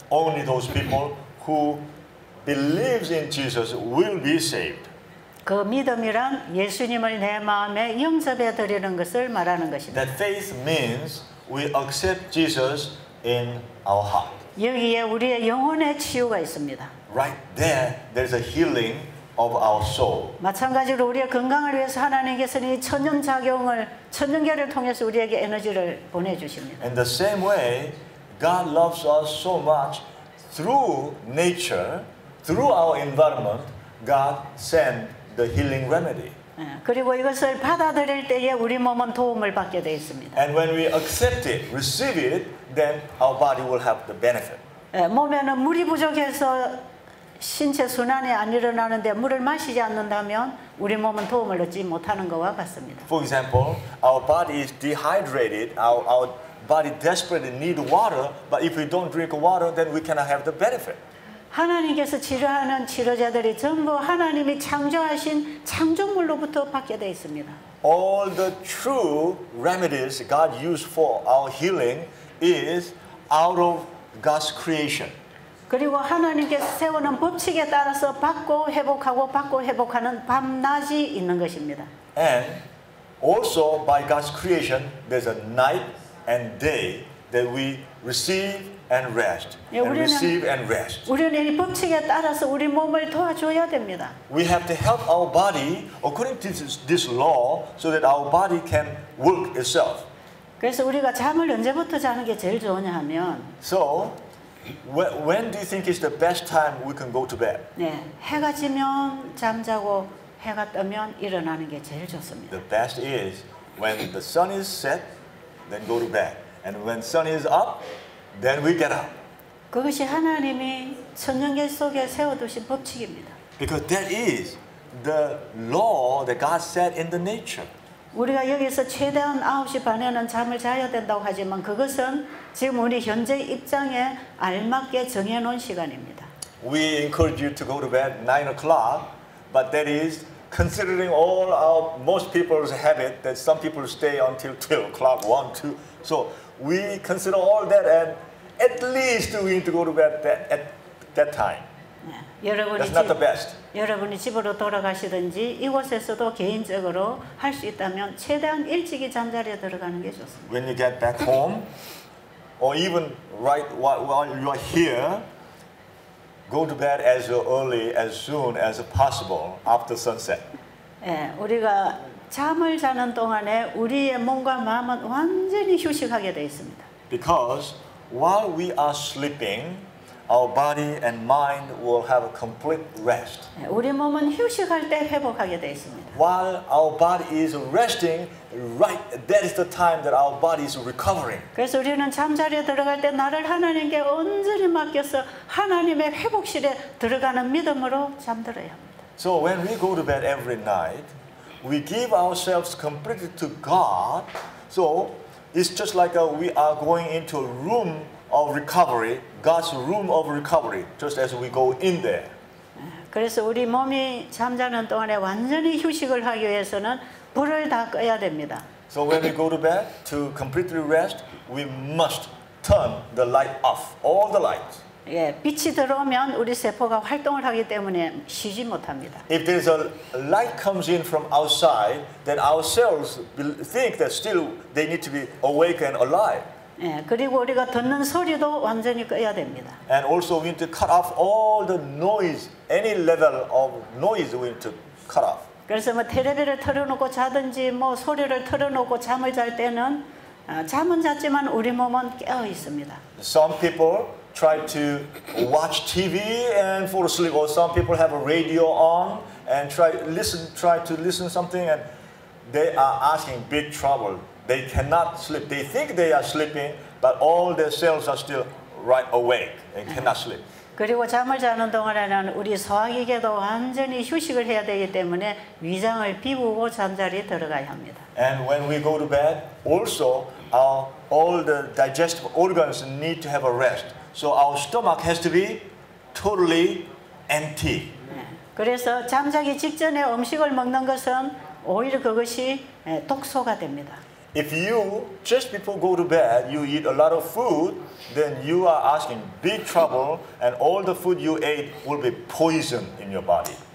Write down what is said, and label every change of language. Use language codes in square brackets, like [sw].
[en] Only those people who believe in Jesus will be saved. [ko] 그 믿음이란 예수님을 내 마음에 영접해 드리는 것을 말하는 것입니다. [en] That faith means we accept Jesus in our heart. [ko] 여기에 우리의 영혼의 치유가 있습니다. [en] Right there, there's a healing of our soul. [ko] 마찬가지로 우리의 건강을 위해서 하나님께서는 이 천년작용을 천년계를 통해서 우리에게 에너지를 보내주십니다. [en] In the same way, God loves us so much through nature, through our environment, God sent the healing remedy. [ko] 그리고 이것을 받아들일 때에 우리 몸은 도움을 받게 되어 있습니다. [en] And when we accept it, receive it, then our body will have the benefit. [ko] 몸에는 물이 부족해서 신체 순환이 안 일어나는데 물을 마시지 않는다면 우리 몸은 도움을 얻지 못하는 것과 같습니다. [en] For example, our body is dehydrated. Our body desperately needs water, but if we don't drink water, then we cannot have the benefit. [ko] 하나님께서 치료하는 치료제들이 전부 하나님이 창조하신 창조물로부터 받게 되어 있습니다. [en] All the true remedies God used for our healing is out of God's creation. [ko] 그리고 하나님께서 세우는 법칙에 따라서 받고 회복하고 받고 회복하는 밤낮이 있는 것입니다. [en] And also by God's creation, there's a night and day that we receive and rest, and receive and rest. [ko] 우리는 이 법칙에 따라서 우리 몸을 도와줘야 됩니다. [en] We have to help our body according to this law so that our body can work itself. [ko] 그래서 우리가 잠을 언제부터 자는 게 제일 좋으냐 하면, [en] so when do you think is the best time we can go to bed? [ko] 네, 해가 지면 잠자고 해가 뜨면 일어나는 게 제일 좋습니다. [en] The best is when the sun is set, then go to bed. And when sun is up, then we get up. [ko] 그것이 하나님이 천년계 속에 세워두신 법칙입니다. [en] Because that is the law that God set in the nature. [ko] 우리가 여기서 최대한 9시 반에는 잠을 자야 된다고 하지만 그것은 지금 우리 현재 입장에 알맞게 정해놓은 시간입니다. [en] We encourage you to go to bed 9 o'clock, but that is considering all our most people's habit that some people stay until 12 o'clock, 1, 2. So we consider all that and at least we need to go to bed at that time. [ko] 여러분이 [en] That's not the best. [ko] 여러분이 집으로 돌아가시든지 이곳에서도 개인적으로 할 수 있다면 최대한 일찍이 잠자리에 들어가는 게 좋습니다. [en] When you get back home or even right while you are here, go to bed as early, as soon as possible after sunset. [ko] 예, 우리가 잠을 자는 동안에 우리의 몸과 마음은 완전히 휴식하게 되어 있습니다. [en] Because while we are sleeping, our body and mind will have a complete rest. [ko] 우리 몸은 휴식할 때 회복하게 되어 있습니다. [en] While our body is resting, right, that is the time that our body is recovering. [ko] 그래서 우리는 잠자리에 들어갈 때 나를 하나님께 온전히 맡겨서 하나님의 회복실에 들어가는 믿음으로 잠들어야 합니다. [en] So when we go to bed every night, we give ourselves completely to God. So it's just like we are going into a room of recovery, God's room of recovery, just as we go in there. [ko] 그래서 우리 몸이 잠자는 동안에 완전히 휴식을 하기 위해서는 불을 다 꺼야 됩니다. [en] So when we go to bed to completely rest, we must turn the light off, all the lights. [ko] 예, 빛이 들어오면 우리 세포가 활동을 하기 때문에 쉬지 못합니다. [en] If there's a light comes in from outside, then our cells think that still they need to be awake and alive. [ko] 그리고 우리가 듣는 소리도 완전히 꺼야 됩니다. [en] And also we need to cut off all the noise, any level of noise we need to cut off. [ko] 그래서 뭐 텔레비를 틀어놓고 자든지 뭐 소리를 틀어놓고 잠을 잘 때는 잠은 잤지만 우리 몸은 깨어 있습니다. [en] Some people try to watch TV and fall asleep, or some people have a radio on and try to listen something, and they are asking big trouble. They cannot sleep. They think they are sleeping, but all their cells are still right awake and cannot sleep. [ko] 그리고 잠을 자는 동안에는 우리 소화기계도 완전히 휴식을 해야 되기 때문에 위장을 비우고 잠자리에 들어가야 합니다. [en] And when we go to bed, also all the digestive organs need to have a rest. So our stomach has to be totally empty. [ko] 그래서 잠자기 직전에 음식을 먹는 것은 오히려 그것이 독소가 됩니다. [en] If you just before go to bed, you eat a lot of food, then you are asking big trouble, and all the food you ate will be poison in your body.